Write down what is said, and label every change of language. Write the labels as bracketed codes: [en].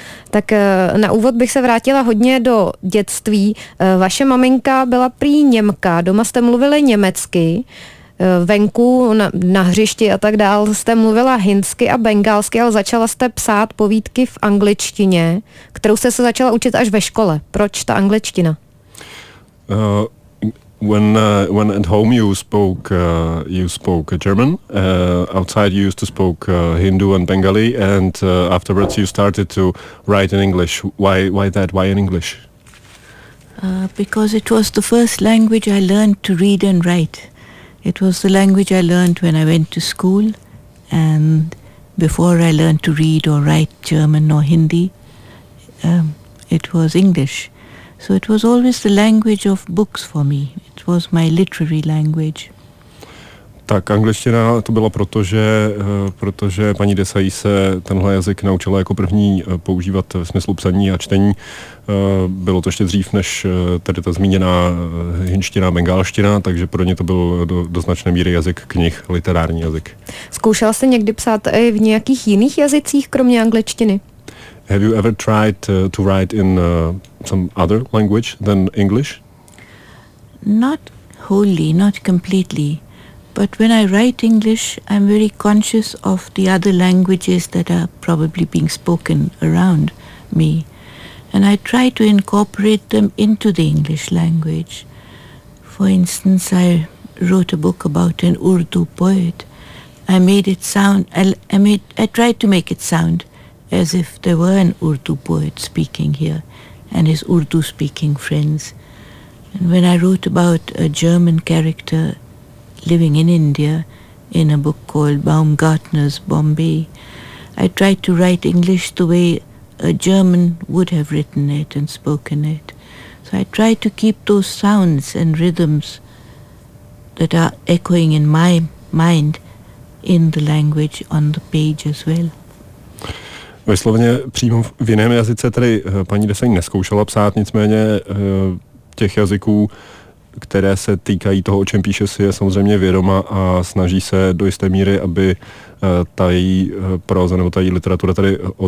[cs] Tak na úvod bych se vrátila hodně do dětství. Vaše maminka byla prý Němka, doma jste mluvili německy. Venku, na hřišti a tak dál, jste mluvila hindsky a bengálsky, ale začala jste psát povídky v angličtině, kterou jste se začala učit až ve škole. Proč ta angličtina? [en] When at home you spoke German, outside you used to spoke Hindu and Bengali, and afterwards you started to write in English. Why that? Why in English? Because it was the first language I learned to read and write. It was the language I learned when I went to school and before I learned to read or write German or Hindi, it was English. So it was always the language of books for me. It was my literary language. [cs] Tak angličtina to byla proto, protože paní Desai se tenhle jazyk naučila jako první používat v smyslu psaní a čtení. Bylo to ještě dřív, než tady ta zmíněná hinština, bengálština, takže pro ně to byl do značné míry jazyk knih, literární jazyk. Zkoušela jste někdy psát i v nějakých jiných jazycích, kromě angličtiny? [en] Have you ever tried to write in some other language than English? Not wholly, not completely. But when I write English, I'm very conscious of the other languages that are probably being spoken around me. And I try to incorporate them into the English language. For instance, I wrote a book about an Urdu poet. I tried to make it sound as if there were an Urdu poet speaking here and his Urdu-speaking friends. And when I wrote about a German character living in India, in a book called Baumgartner's Bombay, I tried to write English the way a German would have written it and spoken it. So I tried to keep those sounds and rhythms that are echoing in my mind in the language on the page as well. [cs] Vyslovně přímo v jiném jazyce tedy paní Desai neskoušela psát, nicméně těch jazyků, které se týkají toho, o čem píše, si je samozřejmě vědoma a snaží se do jisté míry, aby ta její proza nebo ta její literatura tady